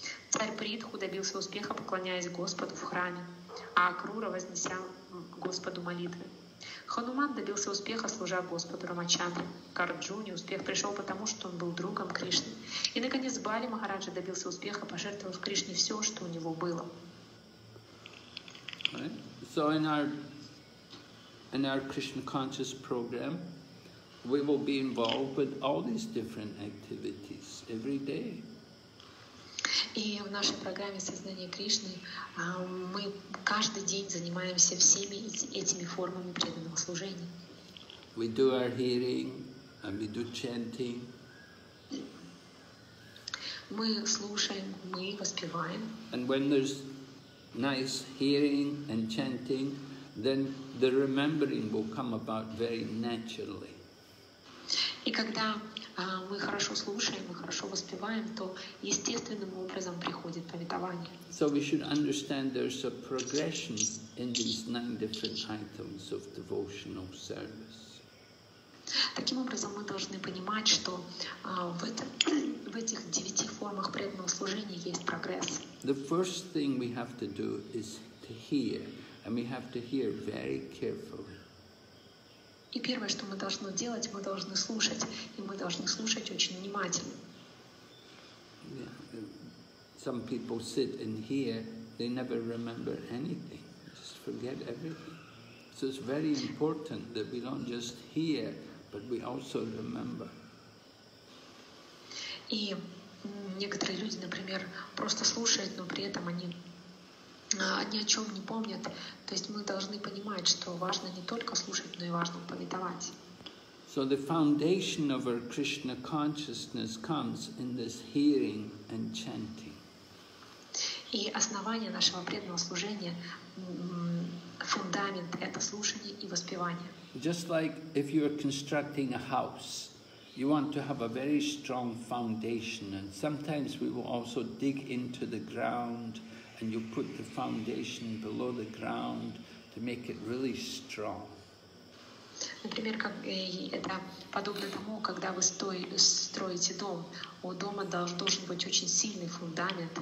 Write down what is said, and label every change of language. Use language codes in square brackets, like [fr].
[ru] Царь Притху добился успеха, поклоняясь Господу в храме, а Акрура вознеся Господу молитвы. Хануман добился успеха, служа Господу Рамачандре. Карджуни успех пришел потому, что он был другом Кришны. И, наконец, Бали Махараджа добился успеха, пожертвовав Кришне все, что у него было. [en] Right. So in our Krishna Conscious Program, we will be involved with all these different activities every day. [ru] И в нашей программе «Сознание Кришны» мы каждый день занимаемся всеми этими формами преданного служения. [en] We do our hearing and we do chanting. [ru] Мы слушаем, мы воспеваем. [en] And when there's nice hearing and chanting, then the remembering will come about very naturally. [ru] И когда мы хорошо слушаем, мы хорошо воспеваем, то естественным образом приходит повествование. [en] So we should understand there's a progression in these nine different items of devotional service. [ru] Таким образом, мы должны понимать, что в этих девяти формах преданного служения есть прогресс. [en] The first thing we have to do is to hear, and we have to hear very carefully. [ru] И первое, что мы должны делать, мы должны слушать, и мы должны слушать очень внимательно. [en] Some people sit and hear, they never remember anything, just forget everything. So it's very important that we don't just hear, but we also remember. [ru] И некоторые люди, например, просто слушают, но при этом они о чем не помнят. То есть мы должны понимать, что важно не только слушать, но и важно повествовать. [en] So the foundation of our Krishna consciousness comes in this hearing and chanting. [ru] И основание нашего преданного служения, фундамент — это слушание и воспевание. [en] Just like if you are constructing a house, you want to have a very strong foundation, and sometimes we will also dig into the ground and you put the foundation below the ground to make it really strong. [ru] Например, как это подобно тому, когда вы строите дом, у дома должен быть очень сильный фундамент.